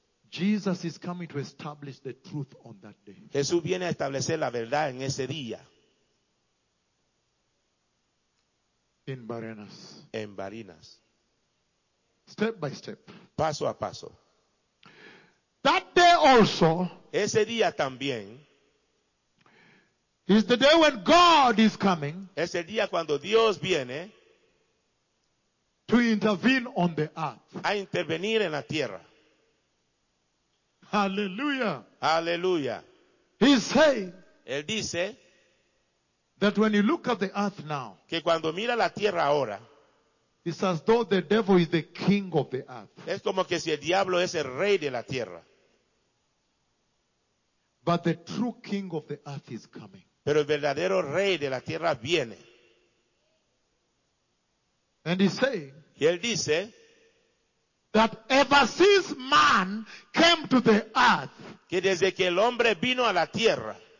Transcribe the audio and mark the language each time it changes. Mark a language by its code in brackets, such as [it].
[en] Jesus is coming to establish the truth on that day. [es] Jesús viene a establecer la verdad en ese día. [en] In Barinas. [es] En Barinas. [en] Step by step. [es] Paso a paso. [en] That day also. [es] Ese día también. [en] Is the day when God is coming. [es] Es el día cuando Dios viene. [en] To intervene on the earth. [es] A intervenir en la tierra. [en] Hallelujah. [es] Hallelujah. [en] He says. [es] Él dice. [en] That when you look at the earth now. [es] Que cuando mira la tierra ahora. [en] It's as though the devil is the king of the earth. [es] Es como que si el diablo es el rey de la tierra. [en] But the true king of the earth is coming. [es] Pero el verdadero rey de la tierra viene. [en] And he says. [es] Y él dice. [en] That ever since man came to the earth. [es] Que desde que el hombre vino a la tierra.